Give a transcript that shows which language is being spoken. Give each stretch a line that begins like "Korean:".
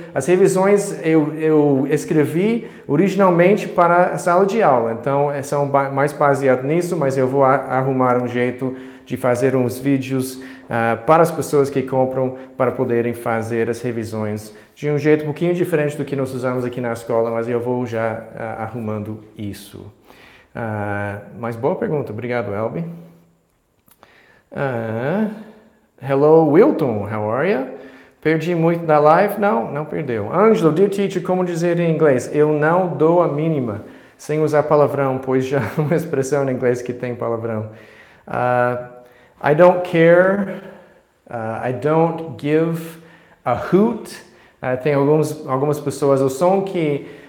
Portuguese: As revisões eu escrevi originalmente para a sala de aula, então são mais baseado nisso, mas eu vou arrumar um jeito de fazer uns vídeos para as pessoas que compram, para poderem fazer as revisões de um jeito um pouquinho diferente do que nós usamos aqui na escola, mas eu vou já arrumando isso. Mas boa pergunta, obrigado, Elby.
English: Hello, Wilton, how are you?
Portuguese: Perdi muito da live? Não, não perdeu. Angelo,
English: dear teacher,
Portuguese: como dizer em inglês? Eu não dou a mínima, sem usar palavrão, pois já é uma expressão em inglês que tem palavrão.
English: I don't care, I don't give a hoot.
Portuguese: Tem algumas pessoas, o som que